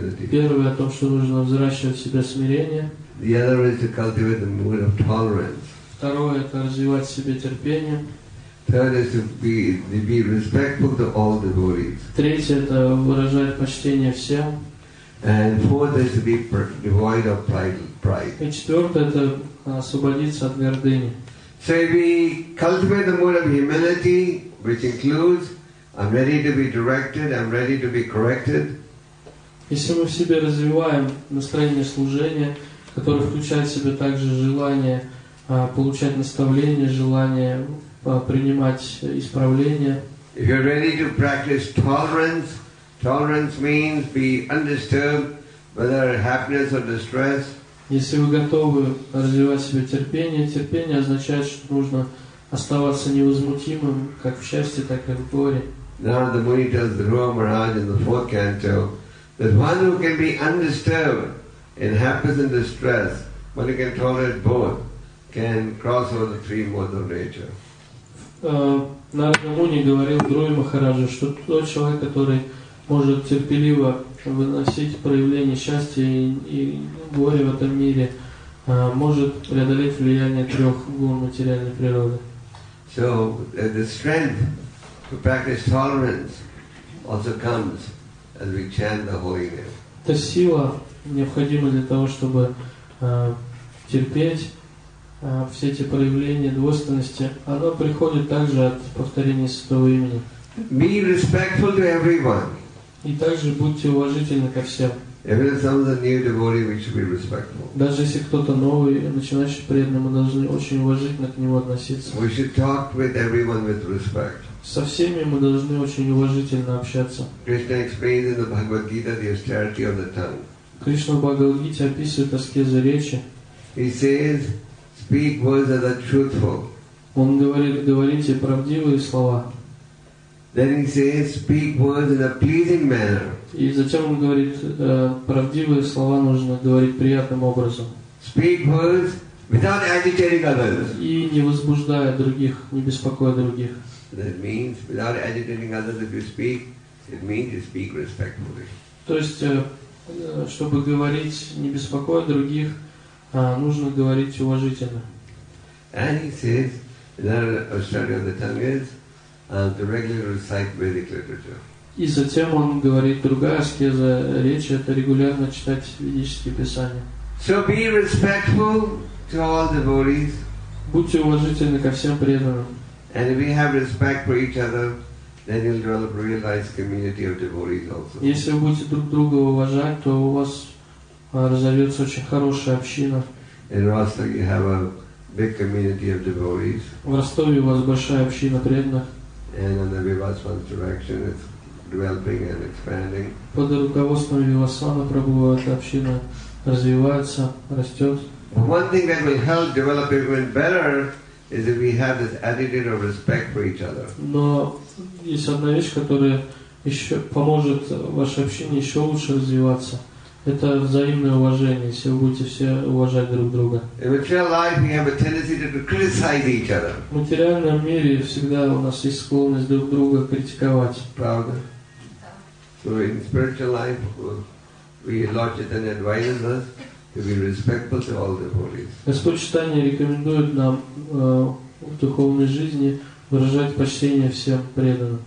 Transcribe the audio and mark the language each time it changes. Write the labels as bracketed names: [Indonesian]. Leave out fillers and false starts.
[Russian] Первое о том, что нужно взращивать в себя смирение. Второе это развивать в себе терпение. Третье это выражать почтение всем. И четвертое это освободиться от гордыни. [English] So if we cultivate the mood of humility, which includes, I'm ready to be directed, I'm ready to be corrected. [Russian] Если мы в себе развиваем настроение служения, которое включает в себя также желание получать наставление, желание принимать исправление. [English] If you're ready to practice tolerance, tolerance means be undisturbed, whether happiness or distress. [Russian] Если вы готовы развивать в себе терпение, терпение означает, что нужно оставаться невозмутимым как в счастье, так и в горе. [English] Narada Muni tells Dhruva Maharaj in the fourth canto that one who can be undisturbed in happiness and distress, one who can tolerate both, can cross over the three modes of nature. [Russian] Narada Muni говорил Дхруве Махараджу, что тот человек, который может терпеливо выносить проявление счастья и горя в этом мире, может преодолеть влияние трех гун материальной природы. [English] So the strength to practice tolerance also comes as we chant the holy name. [Russian] Та сила необходима для того, чтобы терпеть все эти проявления двойственности, она приходит также от повторения святого имени. [English] Be respectful to everyone. [Russian] И также будьте уважительны ко всем. [English] Even if someone's a new devotee, we should be respectful. [Russian] Даже если кто-то новый, начинающий преданный, мы должны очень уважительно к нему относиться. [English] We should talk with everyone with respect. [Russian] Со всеми мы должны очень уважительно общаться. [English] Krishna explains in the Bhagavad Gita the austerity of the tongue. [Russian] Кришна в Бхагавад Гите описывает аскезу речи. [English] He says, speak words that are truthful. [Russian] Он говорит, говорите правдивые слова. [English] Then he says, speak words in a pleasing manner. [Russian] И затем он говорит, правдивые слова нужно говорить приятным образом. [English] Speak words without agitating others. [Russian] И не возбуждая других, не беспокоя других. [English] That means without agitating others, if you speak, it means you speak respectfully. [Russian] То есть, чтобы говорить, не беспокоя других, нужно говорить уважительно. [English] And he says, another austerity of the tongue is to regularly recite Vedic literature. [Russian] И затем он говорит, другая аскеза речи – это регулярно читать ведические писания. [English] So be respectful to all devotees. [Russian] Будьте уважительны ко всем преданным. [English] And if we have respect for each other, then you'll develop a realized community of devotees also. [Russian] Если вы будете друг друга уважать, то у вас разовьется очень хорошая община. [English] In Rostov you have a big community of devotees. [Russian] В Ростове у вас большая община преданных. [English] And under Vivasvan's direction, it's developing and expanding. [Russian] Под руководством Вивасвана Прабху эта община развивается, растет. [English] One thing that will help develop even better is if we have this attitude of respect for each other. [Russian] Но есть одна вещь, которая еще поможет вашей общине еще лучше развиваться. Это взаимное уважение, если вы будете все уважать друг друга. [English] In material life, we have a tendency to criticize each other. [Russian] В материальном мире всегда у нас есть склонность друг друга критиковать. Правда? [English] So in spiritual life, we Lord Chaitanya advises us to be respectful to all the devotees. [Russian] Господь Читания рекомендует нам в духовной жизни выражать почтение всем преданным.